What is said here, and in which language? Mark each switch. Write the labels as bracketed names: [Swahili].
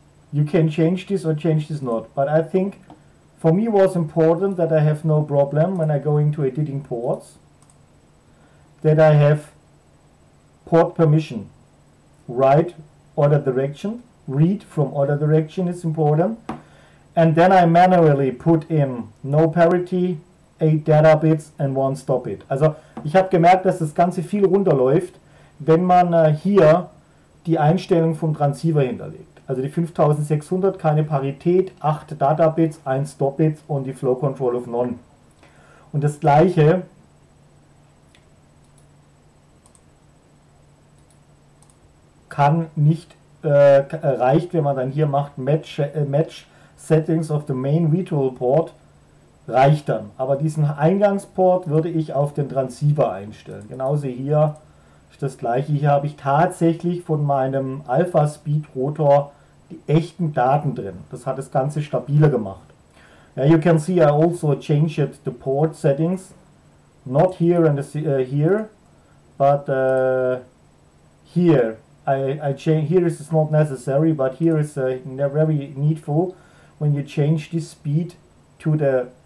[English] you can change this or change this not, but I think for me it was important that I have no problem when I go into editing ports, that I have port permission, write order direction, read from order direction is important. And then I manually put in no parity, 8 data bits and 1 stop bit. [German] Also ich habe gemerkt, dass das Ganze viel runterläuft, wenn man hier die Einstellung vom Transceiver hinterlegt. Also die 5600, keine Parität, 8 data bits, 1 stop bit und die [English] Flow Control of None. [German] Und das gleiche kann nicht erreicht, wenn man dann hier macht [English] Match Settings of the main virtual port [German] reicht dann. Aber diesen Eingangsport würde ich auf den Transceiver einstellen. Genauso hier ist das gleiche. Hier habe ich tatsächlich von meinem Alpha Speed Rotor die echten Daten drin. Das hat das Ganze stabiler gemacht. [English] Yeah, you can see I also changed the port settings. Not here and here, but here. Here is not necessary, but here is very needful. When you change the speed to the